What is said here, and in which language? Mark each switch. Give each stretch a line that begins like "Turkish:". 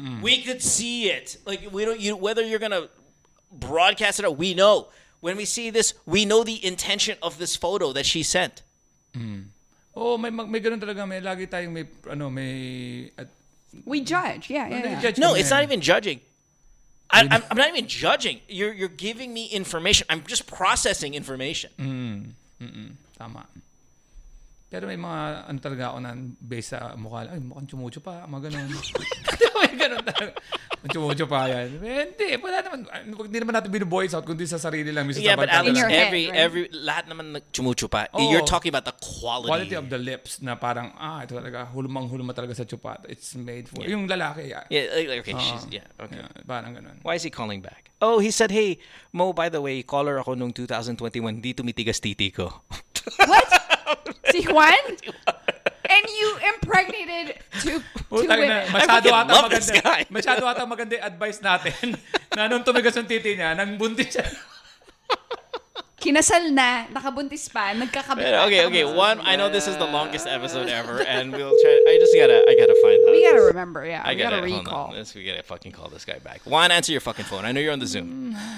English: We could see it. Like, we don't, you, whether you're gonna broadcast it or we know when we see this, we know the intention of this photo that she sent.
Filipino: Oh, may ganun talaga, may lagi tayong may ano, may
English: we judge. Yeah. Judge, no, it's not even judging. I'm not even judging. You're giving me information. I'm just processing information.
Filipino: Tama. Pero may mga ano talaga ako na based sa mukha lang, ay mukhang chumucho pa, mga ganun. Ganun talaga. Chumucho pa yan. Hindi, wala naman. Hindi naman natin binuboys out kundi sa sarili lang.
English: Yeah, but Alex, every,
Filipino: lahat naman chumucho pa.
English: Oh, you're talking about the quality. Quality of the lips
Filipino: na parang, ah, ito talaga, hulumang-hulumang talaga sa chupa.
English: It's made for, yeah.
Filipino: Yung lalaki, yeah.
English: Yeah, okay, she's, yeah, okay. Yeah,
Filipino: parang ganun.
English: Why is he calling back? Oh, he said, hey, Mo, by the way, caller
Filipino: ako noong 2021, di tumitigas titi ko.
English: What? Si Juan? And you impregnated two women.
Filipino: Masyado ata maganda. Masyado ata maganda advice natin. Na nung tumigas ang titi niya, nang buntis siya. Kinasal na, nakabuntis pa, nagkakabit.
English: Okay, okay. One, I know this is the longest episode ever and we'll try. I gotta find out. We gotta remember, yeah. We gotta recall. Hold on. We gotta fucking call this guy back. Juan, answer your fucking phone. I know you're on the Zoom.